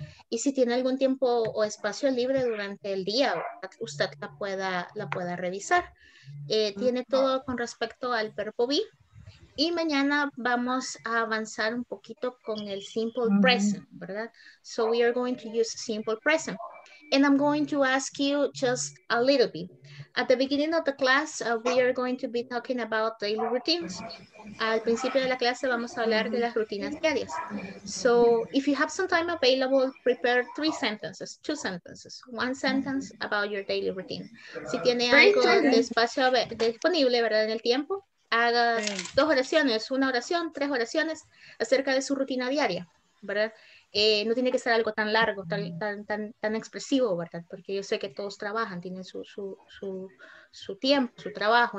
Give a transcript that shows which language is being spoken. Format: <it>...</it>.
<es>Y si tiene algún tiempo o espacio libre durante el día, ¿verdad? Usted la pueda revisar. Tiene todo con respecto al verbo be. Y mañana vamos a avanzar un poquito con el simple present, ¿verdad?</es> <en>So we are going to use simple present. And I'm going to ask you just a little bit. At the beginning of the class, we are going to be talking about daily routines.</en> <es>Al principio de la clase vamos a hablar de las rutinas diarias.</es> <en>So if you have some time available, prepare two sentences about your daily routine.</en> <es>Si tiene algo de espacio disponible, ¿verdad? En el tiempo, haga dos oraciones, una oración, tres oraciones acerca de su rutina diaria, ¿verdad? No tiene que ser algo tan largo, tan expresivo, ¿verdad? Porque yo sé que todos trabajan, tienen su tiempo, su trabajo.</es>